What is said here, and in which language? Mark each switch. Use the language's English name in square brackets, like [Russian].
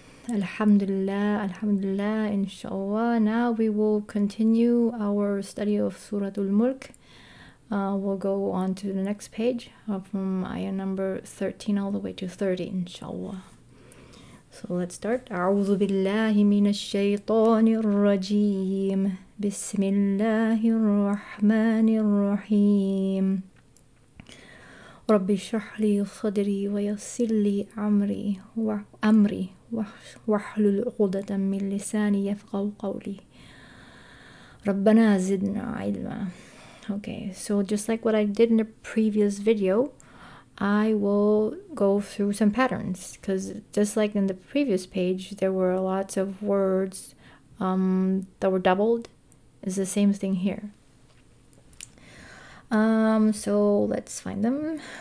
[Arabic] الحمد لله الحمد لله إن شاء الله. [English] Now we will continue our study of Surah Al-Mulk. We'll go on to the next page from ayah number 13 all the way to 30 [Arabic] إن شاء الله. [English] So let's start. [Arabic] أعوذ بالله من الشيطان الرجيم بسم الله الرحمن الرحيم رب اشرح لي صدري ويسر لي امري وامري واحلل عقدة من لساني يفقهوا قولي ربنا زدنا علما. [English] Okay, so just like what I did in a previous video, I will go through some patterns, because just like in the previous page, there were lots of words that were doubled. It's the same thing here. So let's find them.